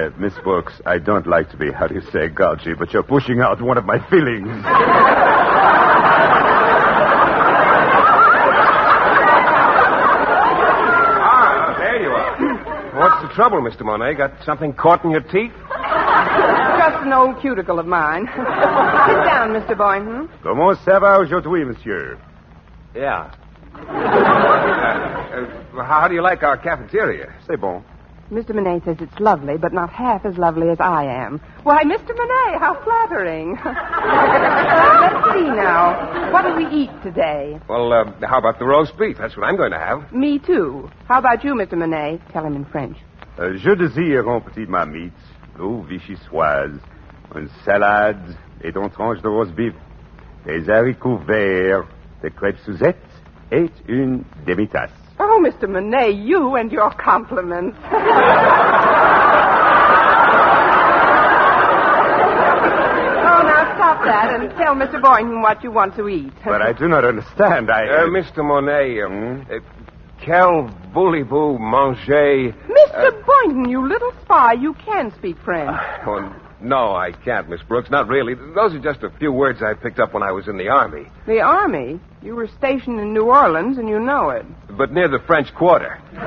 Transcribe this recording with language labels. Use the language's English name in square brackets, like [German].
[English] Miss Brooks, I don't like to be, how do you say, gouty, but you're pushing out one of my feelings. Ah, there you are. What's the trouble, Mr. Manet? Got something caught in your teeth? Just an old cuticle of mine. Sit down, Mr. Boynton. [French] Comment ça va aujourd'hui, monsieur? [English] Yeah. How do you like our cafeteria? [French] C'est bon. [English] Mr. Manet says it's lovely, but not half as lovely as I am. Why, Mr. Manet, how flattering. Let's see now. What do we eat today? Well, how about the roast beef? That's what I'm going to have. Me too. How about you, Mr. Manet? Tell him in French. [French] Je désire un petit marmite. Oh, vichyssoise, une salade, et ton tranche de roast beef, des haricots verts, des crêpes Suzette, et une demi-tasse. [English] Oh, Mr. Manet, you and your compliments. Oh, now stop that and tell Mr. Boynton what you want to eat. But I do not understand. Mr. [French] Manet, quel voulez-vous manger? [English] Mr. Boynton, you little spy, you can speak French. No, I can't, Miss Brooks, not really. Those are just a few words I picked up when I was in the Army. The Army? You were stationed in New Orleans, and you know it. But near the French Quarter.